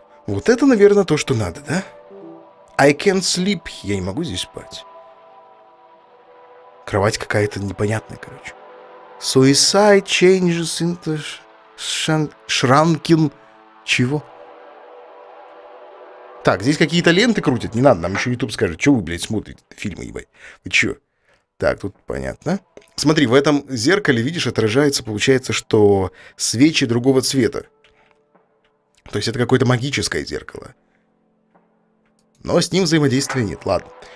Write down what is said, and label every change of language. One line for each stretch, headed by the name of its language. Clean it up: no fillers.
Russian: Вот это, наверное, то, что надо, да?
English: I can't sleep.
Russian: Я не могу здесь спать. Кровать какая-то непонятная, короче.
English: Suicide changes into shrunken...
Russian: Чего? Так, здесь какие-то ленты крутят. Не надо, нам еще YouTube скажет. Чего вы, блядь, смотрите фильмы, ебать? Вы чё? Так, тут понятно. Смотри, в этом зеркале, видишь, отражается, получается, что свечи другого цвета. То есть это какое-то магическое зеркало. Но с ним взаимодействия нет. Ладно.